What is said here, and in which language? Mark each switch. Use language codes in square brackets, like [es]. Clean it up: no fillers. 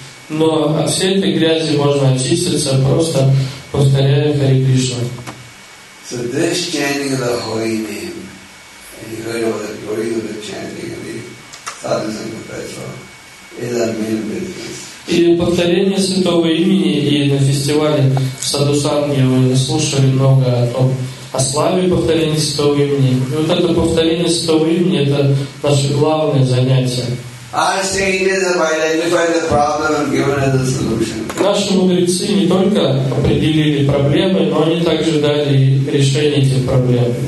[ru] но от всей этой грязи можно очиститься, просто повторяя Хари Кришну. [en] So this chanting of the holy name, and you heard about the glory of the chanting of the sadhus and professors, is our main business. [ru] И повторение святого имени и на фестивале Садусанги вы слушали много о том, о славе повторения святого имени. И вот это повторение святого имени — это наше главное занятие. Наши мудрецы не только определили проблемы, но они также дали решение этих проблем.